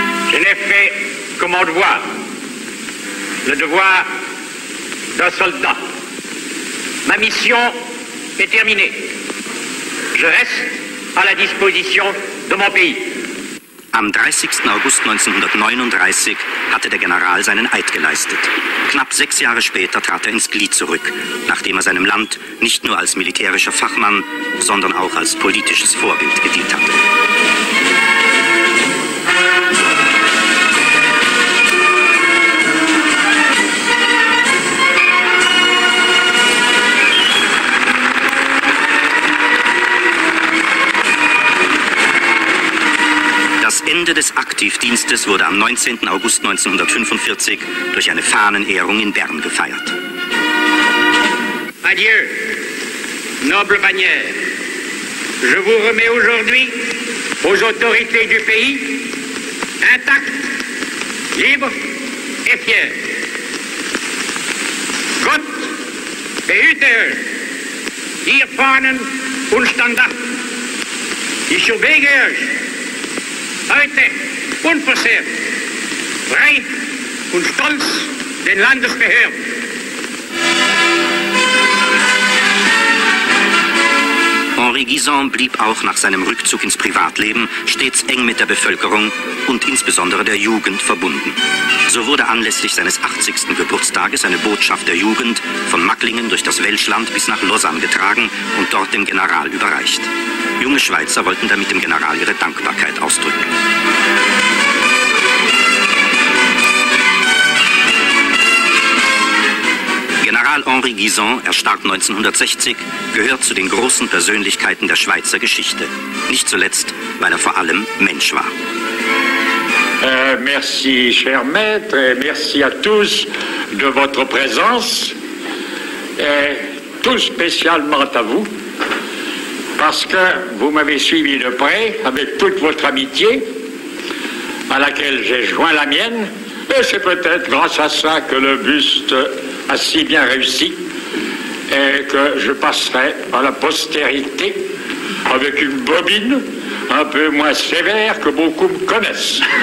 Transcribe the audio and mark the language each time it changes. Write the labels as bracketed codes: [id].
[fr] Je n'ai fait que mon devoir, le devoir d'un soldat. Ma mission est terminée. Je reste à la disposition de mon pays. [de] Am 30. August 1939 hatte der General seinen Eid geleistet. Knapp 6 Jahre später trat er ins Glied zurück, nachdem er seinem Land nicht nur als militärischer Fachmann, sondern auch als politisches Vorbild gedient hatte. Ende des Aktivdienstes wurde am 19. August 1945 durch eine Fahnenehrung in Bern gefeiert. [fr] Adieu, noble bannière. Je vous remets aujourd'hui aux autorités du pays, intact, libre et fier. [de] Gott behüte euch, ihr Fahnen und Standard. Ich obege euch. Heute unversehrt, frei und stolz den Landesbehörden. Henri Guisan blieb auch nach seinem Rückzug ins Privatleben stets eng mit der Bevölkerung und insbesondere der Jugend verbunden. So wurde anlässlich seines 80. Geburtstages eine Botschaft der Jugend von Macklingen durch das Welschland bis nach Lausanne getragen und dort dem General überreicht. Junge Schweizer wollten damit dem General ihre Dankbarkeit ausdrücken. General Henri Guisan, er starb 1960, gehört zu den großen Persönlichkeiten der Schweizer Geschichte. Nicht zuletzt, weil er vor allem Mensch war. [fr] Merci, cher maître, et merci à tous de votre présence, et tout spécialement à vous, parce que vous m'avez suivi de près avec toute votre amitié, à laquelle j'ai joint la mienne, et c'est peut-être grâce à ça que le buste a si bien réussi et que je passerai à la postérité avec une bobine un peu moins sévère que beaucoup me connaissent.